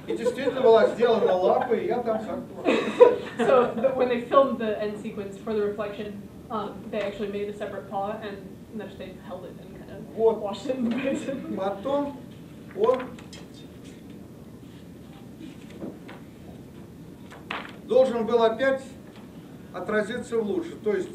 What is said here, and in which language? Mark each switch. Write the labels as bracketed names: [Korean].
[Russian] И действительно была сделана лапа, и я там сам. [English] So when they filmed the end sequence for the reflection, they actually made a separate paw, and then they held it and kind of вот washed it in the basin. [Russian] Потом он должен был опять отразиться в луже, то есть